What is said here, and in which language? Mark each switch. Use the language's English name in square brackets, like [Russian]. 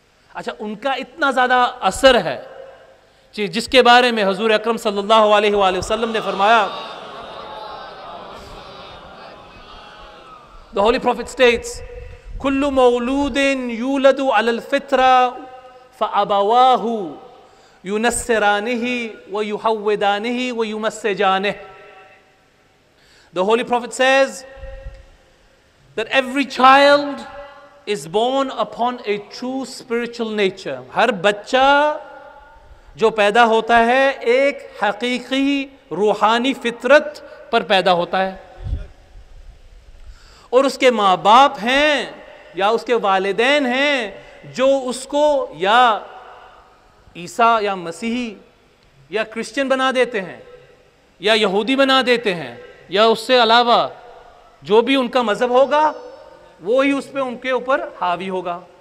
[Urdu] اچھا ان کا اتنا زیادہ اثر ہے جس کے بارے میں حضور اکرم صلی اللہ علیہ وآلہ وسلم نے فرمایا, [English] the holy prophet states [Arabic] کل مولود یولد علی الفطرہ فابواہ ینصرانہ ویہودانہ ویمسجانہ. [English] The holy prophet says that every child is born upon a true spiritual nature. [Urdu] ہر بچہ جو پیدا ہوتا ہے ایک حقیقی روحانی فطرت پر پیدا ہوتا ہے, اور اس کے ماں باپ ہیں یا اس کے والدین ہیں جو اس کو یا عیسیٰ یا مسیحی یا کرسچن بنا دیتے ہیں یا یہودی بنا دیتے ہیں یا اس سے علاوہ جو بھی ان کا مذہب ہوگا وہی اس پہ ان کے اوپر حاوی ہوگا.